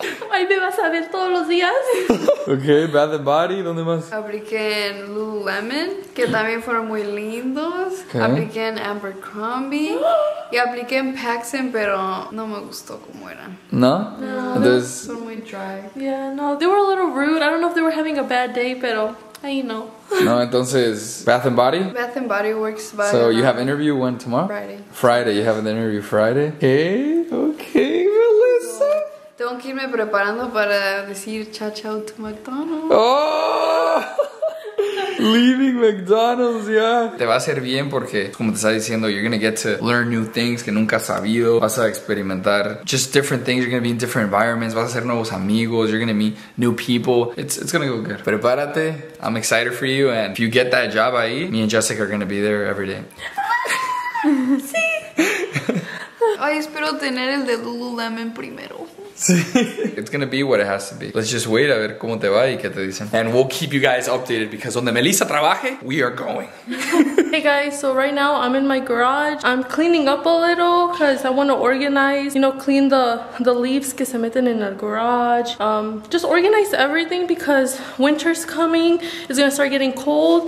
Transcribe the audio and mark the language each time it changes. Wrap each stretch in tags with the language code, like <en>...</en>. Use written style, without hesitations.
<es>Ahí me vas a ver todos los días. Ok, Bath and Body, ¿dónde más? Apliqué en Lululemon, que también fueron muy lindos. Okay. Apliqué en Abercrombie. Y apliqué en Paxson, pero no me gustó cómo eran. ¿No?</es> <en>No, they were muy dry. Yeah, no, they were a little rude. I don't know if they were having a bad day,</en> <es>pero ahí no. No, entonces, Bath and Body?</es> <en>Bath and Body Works. So, you have interview when, tomorrow? Friday, you have an interview Friday. Okay, Melissa.</en> <es>Tengo que irme preparando para decir chao chao</es> <en>to McDonald's. Oh, leaving McDonald's, yeah.</en> <es>Te va a hacer bien porque, como te estaba diciendo,</es> <en>you're gonna get to learn new things</en> <es>que nunca has sabido. Vas a experimentar</es> <en>just different things. You're gonna be in different environments.</en> <es>Vas a hacer nuevos amigos.</es> <en>You're gonna meet new people. It's gonna go good.</en> <es>Prepárate.</es> <en>I'm excited for you. And if you get that job ahí, me and Jessica are gonna be there every day.</en> <es>Sí. Ay, espero tener el de Lululemon primero. Sí.</es> <en>It's gonna be what it has to be. Let's just wait</en> <es>a ver cómo te va y qué te dicen.</es> <en>And we'll keep you guys updated because</en> <es>donde Melissa trabaje,</es> <en>we are going. Hey guys, so right now I'm in my garage. I'm cleaning up a little because I want to organize, you know, clean the leaves</en> <es>que se meten</es> <en>in the garage. Just organize everything because winter's coming. It's gonna start getting cold.</en>